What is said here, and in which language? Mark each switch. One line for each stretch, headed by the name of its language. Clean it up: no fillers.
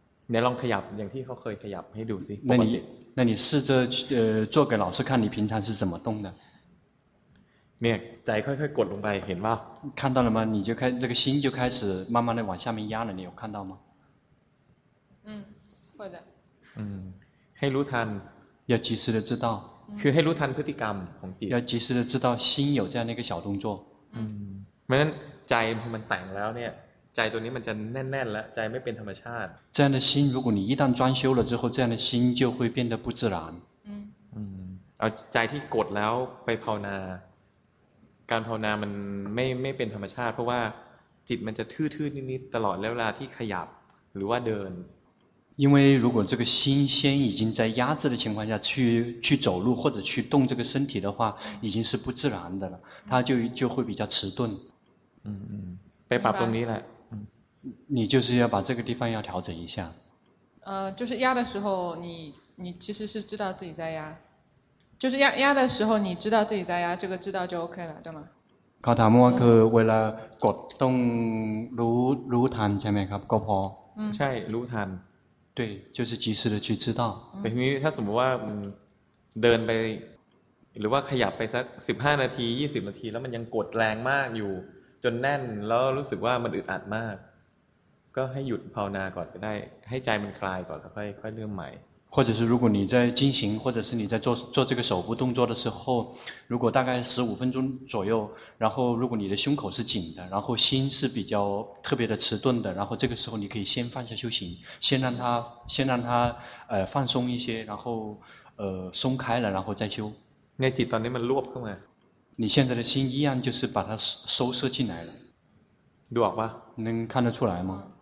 Thai: เดี๋ยวลองขยับอย่างที่เขาเคยขยับให้ดูสิ
Chinese: 那你试着做给老师看你平常是怎么动的
Thai: เนี่ยใจค่อยๆกดลงไปเห็นป่ะ
Chinese: 看到了吗你就开这个心就开始慢慢的往下面压了你有看到吗嗯会的
Thai: 嗯ให้รู้ทัน
Chinese: 要及时的知道
Thai: คือให้รู้ทันพฤติกรรมของจิต
Chinese: 要及时的知道心有这样的一个小动作
Thai: 嗯เพราะฉะนั้นใจมันแต่งแล้วเนี่ยใจตัวนี้มันจะแน่นๆแล้วใจไม่เป็นธรรมชาติ
Chinese: 这样的心如果你一旦装修了之后这样的心就会变得不自然
Thai: เอาใจที่กดแล้วไปภาวนาการภาวนามันไม่เป็นธรรมชาติเพราะว่าจิตมันจะทื่อๆนิดๆตลอดเวลาที่ขยับหรือว่าเดิน
Chinese: 因为如果这个心先已经在压制的情况下去走路或者去动这个身体的话已经是不自然的了它就会比较迟钝
Thai: 嗯嗯ไปปรับตรงนี้แหละ
Chinese: 你就是要把这个地方要调整一下就是压的时候你其实是知道自己在压就是压的时候你知道自己在压这个知道就 OK 了对吗
Thai: เขาถามว่าคือเวลากดต้องรู้ทันใช่ไหมครับก็พอ ใช่รู้ทัน
Chinese: 对就是及时的去知道
Thai: แต่ทีนี้ถ้าสมมติว่าเดินไปหรือว่าขยับไปสัก15นาที20นาทีแล้วมันยังกดแรงมากอยู่จนแน่นแล้วรู้สึกว่ามันอึดอัดมากก็ให้หยุดภาวนาก่อนก็ได้ให้ใจมันคลายก่อนแล้วค่อยเริ่มใหม่
Chinese: 或者是如果你在进行或者是你在做这个手部动作的时候如果大概15分钟左右然后如果你的胸口是紧的然后心是比较特别的迟钝的然后这个时候你可以先放下修行先让它放松一些然后松开了然后再修你现在的心一样就是把它收摄进来了能看得出来吗